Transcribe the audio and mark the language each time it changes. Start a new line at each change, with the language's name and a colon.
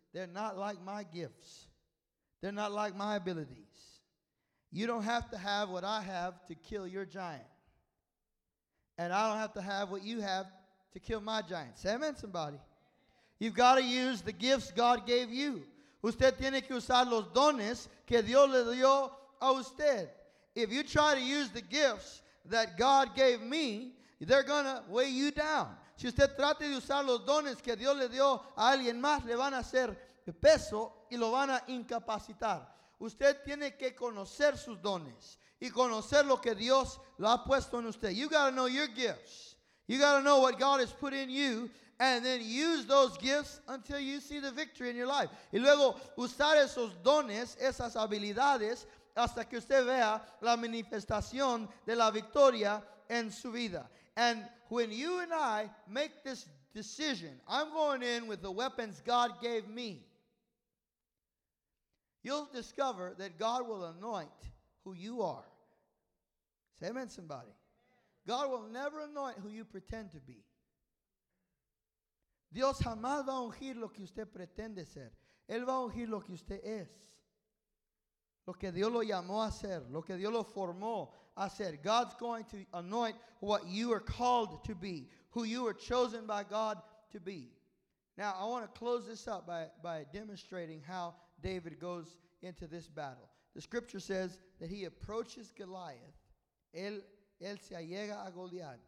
English: They're not like my gifts. They're not like my abilities. You don't have to have what I have to kill your giant. And I don't have to have what you have to kill my giant. Say amen, somebody. You've got to use the gifts God gave you.
Spanish: Usted tiene que usar los dones que Dios le dio a usted.
English: If you try to use the gifts that God gave me, they're going to weigh you down.
Spanish: Si usted trate de usar los dones que Dios le dio a alguien más, le van a hacer peso y lo van a incapacitar. Usted tiene que conocer sus dones y conocer lo que Dios lo ha puesto en usted.
English: You got to know your gifts. You got to know what God has put in you, and then use those gifts until you see the victory in your life.
Spanish: Y luego usar esos dones, esas habilidades, hasta que usted vea la manifestación de la victoria en su vida.
English: And when you and I make this decision, I'm going in with the weapons God gave me, you'll discover that God will anoint who you are. Say amen, somebody. God will never anoint who you pretend to be.
Spanish: Dios jamás va a ungir lo que usted pretende ser. Él va a ungir lo que usted es. Lo que Dios lo llamó a hacer, lo que Dios lo formó a hacer.
English: God's going to anoint what you are called to be, who you are chosen by God to be. Now, I want to close this up by demonstrating how David goes into this battle. The scripture says that he approaches Goliath.
Spanish: Él se allega a Goliath.